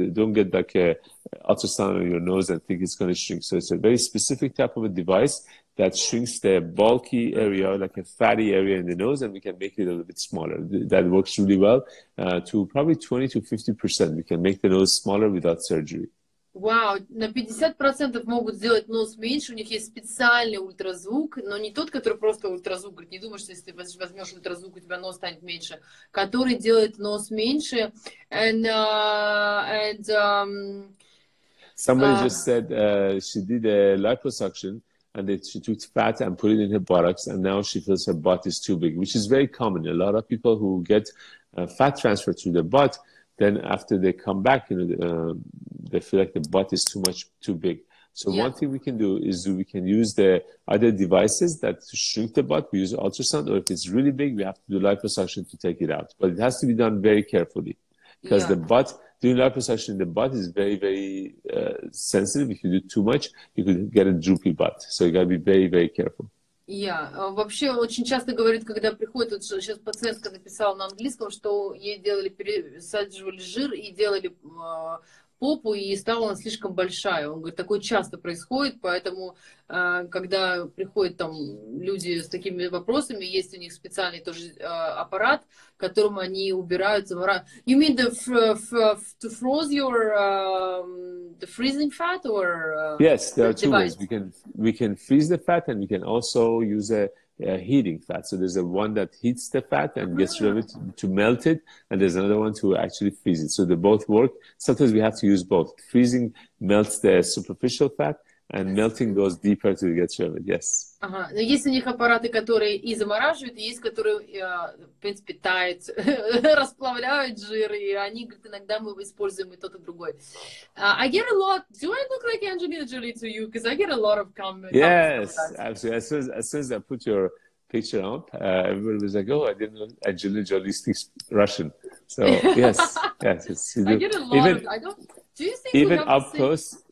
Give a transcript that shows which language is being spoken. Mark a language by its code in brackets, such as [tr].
[en] Don't get like a ultrasound on your nose and think it's going to shrink. So it's a very specific type of a device that shrinks the bulky area, like a fatty area in the nose, and we can make it a little bit smaller. That works really well to probably 20 to 50%. We can make the nose smaller without surgery. [ru] Вау, на 50% могут сделать нос меньше, у них есть специальный ультразвук, но не тот, который просто ультразвук, не думаешь, что если ты возьмешь ультразвук, у тебя нос станет меньше, который делает нос меньше. [en] Somebody just said she did a liposuction, and she took fat and put it in her buttocks, and now she feels her butt is too big, which is very common. A lot of people who get fat transfer to their butt, then after they come back, you know, they feel like the butt is too much, too big. So yeah. One thing we can do is we can use the other devices that shrink the butt. We use ultrasound, or if it's really big, we have to do liposuction to take it out. But it has to be done very carefully, because the butt, doing liposuction in the butt is very, very sensitive. If you do too much, you could get a droopy butt. So you got to be very, very careful. [ru] Вообще очень часто говорят, когда приходит, вот сейчас пациентка написала на английском, что ей делали, пересаживали жир и делали попу, и стала она слишком большая. Он говорит, такое часто происходит, поэтому когда приходят там люди с такими вопросами, есть у них специальный тоже аппарат, которым они убирают заморачивание. [en] You mean to froze your the freezing fat or yes, there are two ways. We can freeze the fat, and we can also use a heating fat. So there's a one that heats the fat and gets rid of it to melt it, and there's another one to actually freeze it. So they both work. Sometimes we have to use both. Freezing melts the superficial fat, and melting goes deeper to get rid of it. Yes. [ru] Но есть у них аппараты, которые и замораживают, и есть, которые, в принципе, тают, расплавляют жир, и они, говорят, иногда мы используем и тот, и другой. [en] I get a lot. Do I look like Angelina Jolie to you? Because I get a lot of comments. Yes, absolutely. As soon as I put your picture up, everybody was like, oh, I didn't know Angelina Jolie speaks Russian. So, yes. Yes, I get a lot.